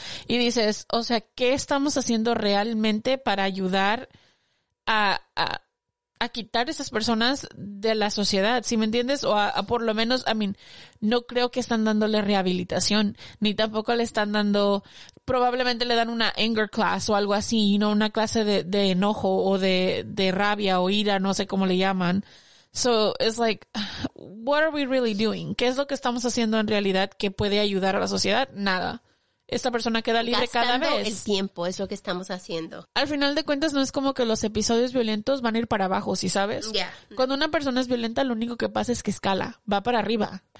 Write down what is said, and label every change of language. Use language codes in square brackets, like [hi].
[es] Y dices, o sea, ¿qué estamos haciendo realmente para ayudar a quitar a esas personas de la sociedad, ¿sí me entiendes? O a por lo menos, [en] I mean, [es] no creo que están dándole rehabilitación, ni tampoco le están dando, probablemente le dan una [en] anger class [es] o algo así, ¿no? Una clase de enojo o de rabia o ira, no sé cómo le llaman. [en] So, it's like, what are we really doing? [es] ¿Qué es lo que estamos haciendo en realidad que puede ayudar a la sociedad? Nada. Esta persona queda libre gastando cada vez. El tiempo es lo que estamos haciendo. Al final de cuentas, no es como que los episodios violentos van a ir para abajo, ¿sí sabes? Ya. Yeah. Cuando una persona es violenta, lo único que pasa es que escala, va para arriba.